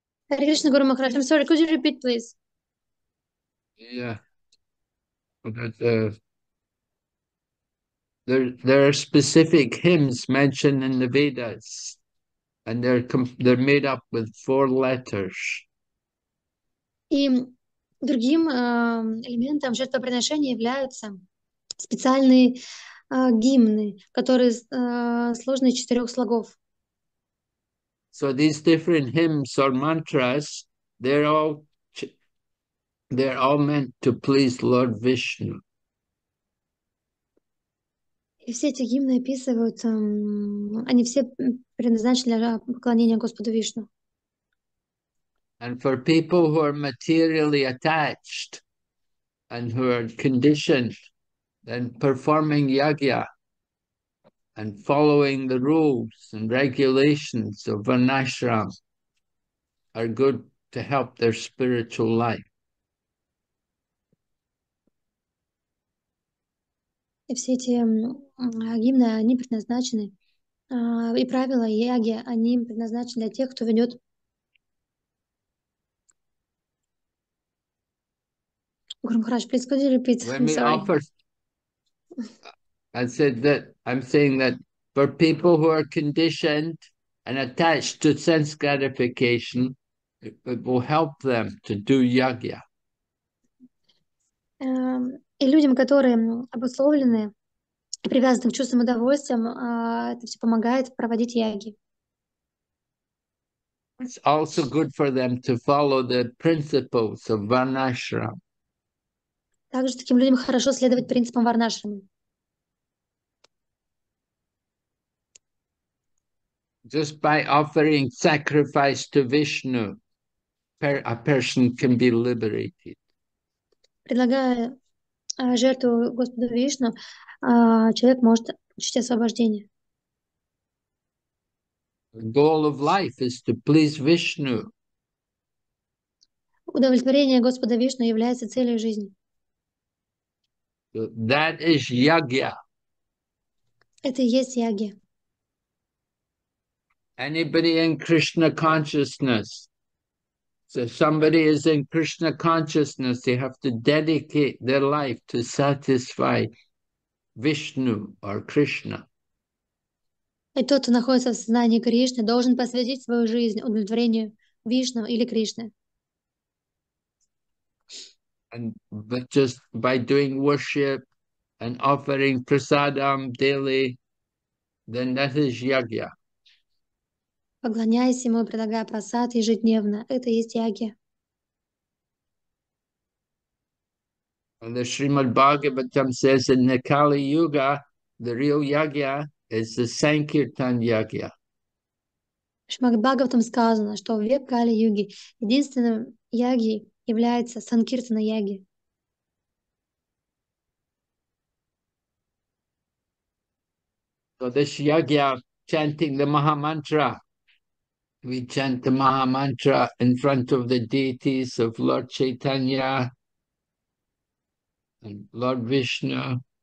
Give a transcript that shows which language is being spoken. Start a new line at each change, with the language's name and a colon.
English: Hare Krishna Guru Maharaj, I'm sorry, could you repeat, please? Yeah. That there are specific hymns mentioned in the Vedas, and they're made up with four letters.
Russian: И другим элементом жертвоприношения являются специальные гимны, которые сложены из четырех слогов.
English: So these different hymns or mantras, they're all meant to please Lord Vishnu.
Russian: И все эти гимны описываются, они все предназначены для поклонения Господу Вишну.
English: And for people who are materially attached and who are conditioned, then performing yagya and following the rules and regulations of vanashram are good to help their spiritual life.
Russian: И все эти гимны, они предназначены, и правила яги, они предназначены для тех, кто ведет Гурмхараш,
English: please, could you repeat? Let I'm me sorry. offer. I said that I'm saying that for people who are conditioned and attached to sense gratification, it will help them to do yagya.
Russian: И людям, которые обусловлены и привязаны к чувствам удовольствия, это все помогает проводить яги.
English: It's also good for them to follow the principles of Varnashram.
Russian: Также таким людям хорошо следовать принципам Варнашрама.
English: Just by offering sacrifice to Vishnu, a person can be liberated.
Russian: Предлагаю жертву Господу Вишну, человек может получить освобождение.
English: The goal of life is to please Vishnu.
Russian: Удовлетворение Господа Вишну является целью жизни.
English: So that is yagya.
Russian: Это и есть яги.
English: Anybody in Krishna consciousness? So somebody is in Krishna consciousness, they have to dedicate their life to satisfy Vishnu or Krishna.
Russian: И тот, кто находится в сознании Кришны, должен посвятить свою жизнь удовлетворению Вишну или Кришны.
English: And but just by doing worship and offering prasadam daily, then that is yagya.
Russian: Поклоняясь ему, предлагая просад ежедневно. Это есть яги.
English: And the Srimad Bhagavatam says in the Kali Yuga, the real yagya is the Sankirtan yagya.
Russian: Шримад-Бхагаватам сказано, что в век Кали-юги единственным яги является Санкиртана-яги.
English: So this yagya chanting the Maha Mantra. We chant the Maha Mantra in front of the deities of Lord Chaitanya and Lord Vishnu.